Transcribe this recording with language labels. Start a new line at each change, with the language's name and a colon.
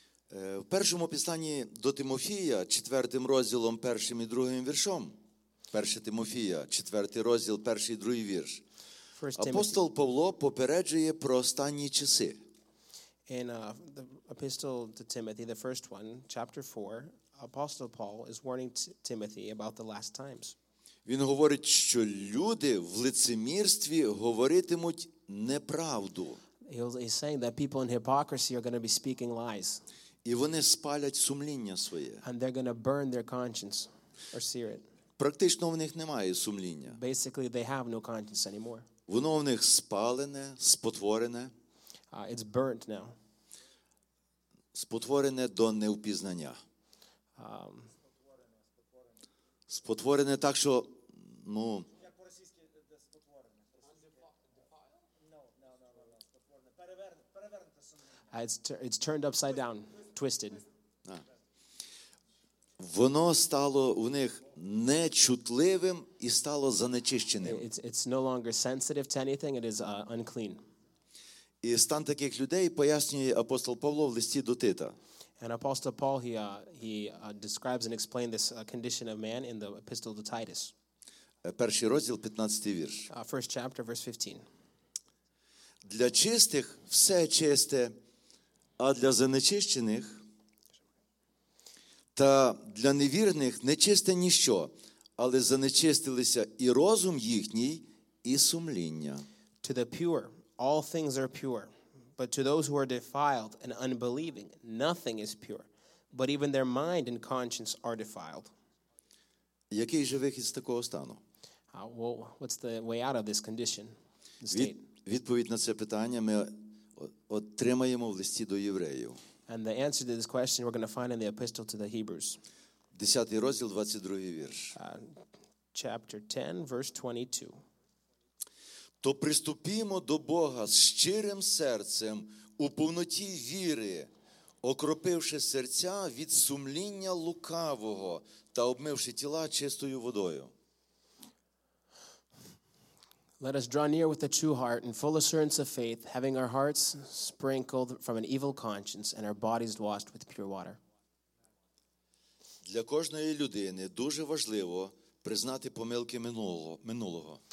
Ukrainian: В першому посланні до Тимофія, 4 розділом, 1 і 2 віршом. 1 Тимофія, 4 розділ, 1 і 2 вірш. Апостол Павло попереджує про останні часи.
English: In the epistle to Timothy, the first one, chapter 4, Apostle Paul is warning Timothy about the last times.
Ukrainian: Він говорить, що люди в лицемірстві говоритимуть неправду.
English: He's saying that people in hypocrisy are going to be speaking lies.
Ukrainian: І вони спалять сумління своє.
English: And they're going to burn their conscience or sear it.
Ukrainian: Практично в них немає сумління.
English: Basically, they have no conscience anymore.
Ukrainian: Воно в них спалене, спотворене.
English: It's burnt now.
Ukrainian: Спотворене до невпізнання. Спотворене так, що, ну... Як по-російськи, спотворене. Спотворене. Перевернете сумління.
English: It's turned upside down, twisted.
Ukrainian: Воно стало у них нечутливим і стало занечищеним.
English: It's no longer sensitive to anything, it is unclean.
Ukrainian: І стан таких людей пояснює апостол Павло в листі до Тита.
English: And apostle Paul describes and explains this condition of man in the epistle to Titus.
Ukrainian: Перший розділ, 15-й вірш.
English: First chapter, verse 15.
Ukrainian: Для чистих все чисте, а для занечищених та для невірних нечисте ніщо, але занечистилися і розум їхній, і сумління.
English: To the pure, all things are pure. But to those who are defiled and unbelieving, nothing is pure. But even their mind and conscience are defiled.
Ukrainian: Який же вихід з такого стану?
English: Well, what's the way out of this condition?
Ukrainian: Відповідь на це питання ми отримаємо в листі до євреїв.
English: And the answer to this question we're going to find in the epistle to the Hebrews.
Ukrainian: 10 розділ, 22 вірш.
English: Chapter 10, verse 22.
Ukrainian: То приступімо до Бога з щирим серцем у повноті віри, окропивши серця від сумління лукавого та обмивши тіла чистою водою.
English: Let us draw near with a true heart and full assurance of faith, having our hearts sprinkled from an evil conscience and our bodies washed with pure water.
Ukrainian: Для кожної людини дуже важливо признати помилки минулого.